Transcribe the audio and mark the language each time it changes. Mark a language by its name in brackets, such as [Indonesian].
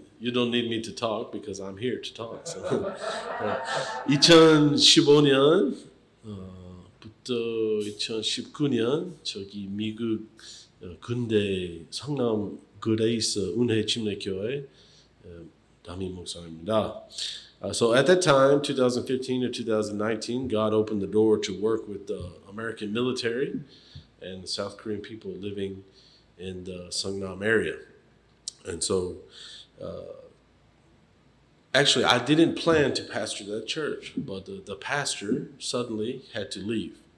[English] You don't need me to talk because I'm here to talk. So. 2015년. [Korean] 또 2019년 저기 미국 군대 성남 그레이스 은혜 침례교회 담임 목사입니다. [English] So at that time, 2015 or 2019, God opened the door to work with the American military and the South Korean people living in the Songnam area. And so Actually, I didn't plan to pastor that church, but the pastor suddenly had to leave.